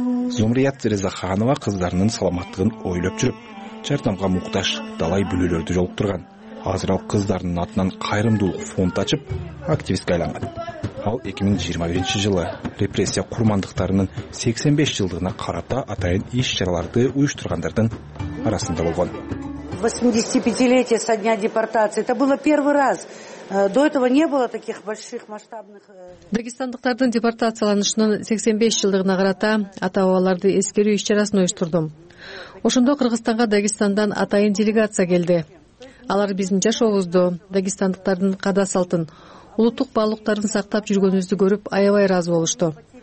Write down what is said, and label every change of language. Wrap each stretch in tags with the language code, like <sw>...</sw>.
<ky>Зумрият Резаханова кыздарынын саламаттыгын ойлоп жүрүп, жардамга муктаж далай бүлөлөрдү жолуктурган. Азыраак кыздарынын атынан кайрымдуулук фонд ачып, активистке айланган. Ал 2021 жылы репрессия курмандыктарынын 85 жылдыгына карата атайын иш-чараларды уюштургандардын арасында болгон.</ky> <ru>85-летие со дня депортации. Это было первый раз. До этого не было таких больших масштабных.</ru> <ky>Дагестандыктардын депортацияланышынын 85 жылдыгына карата ата-бабаларды эскерүү иш-чарасын уюштурдум. Ошондо Кыргызстанга Дагестандан атайын делегация келди. Алар биздин жашообузду, дагестандыктардын каада салтын, улуттук баалуулуктарын сактап жүргөнүбүздү көрүп, аябай ыраазы болушту.</ky>